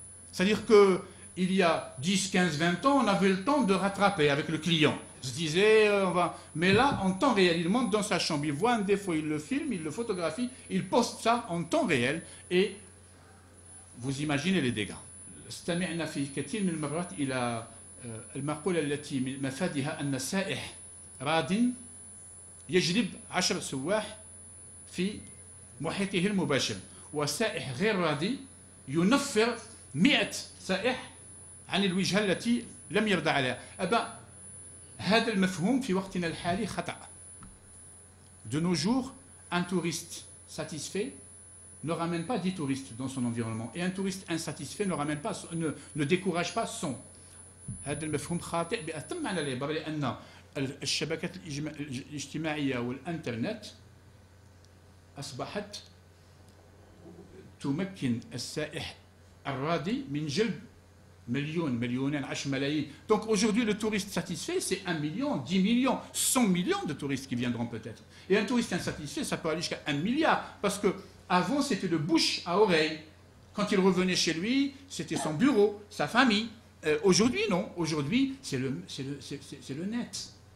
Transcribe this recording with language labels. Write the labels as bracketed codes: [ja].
[fr] C'est-à-dire que il y a 10, 15, 20 ans, on avait le temps de rattraper avec le client. On se disait, mais là, en temps réel, il monte dans sa chambre, il voit un défaut, il le filme, il le photographie, il poste ça en temps réel et vous imaginez les dégâts. [ar] استمعنا في كثير من المرات إلى المقولة التي مفادها أن سائح راد يجلب 10 سواح في محيطه المباشر وسائح غير راد ينفر 100 سائح عن الوجهة التي لم يرضى عليها. أبا هذا المفهوم في وقتنا الحالي خطأ. [fr] De nos jours, un touriste satisfait ne ramène pas 10 touristes dans son environnement. Et un touriste insatisfait ne ramène pas, ne décourage pas son. [ar] هذا المفهوم خاطئ بأتم على ليه بابا لأن الشبكات الاجتماعية والإنترنت أصبحت تمكن السائح الرادي من جلب مليون مليونين عشر ملايين. [fr] Donc aujourd'hui le touriste satisfait c'est 1 million, 10 millions, 100 millions de touristes qui viendront peut-être. Et un touriste insatisfait ça peut aller jusqu'à 1 milliard parce que avant c'était de bouche à oreille. Quand il revenait chez lui c'était son bureau, sa famille. Aujourd'hui non, aujourd'hui c'est le net.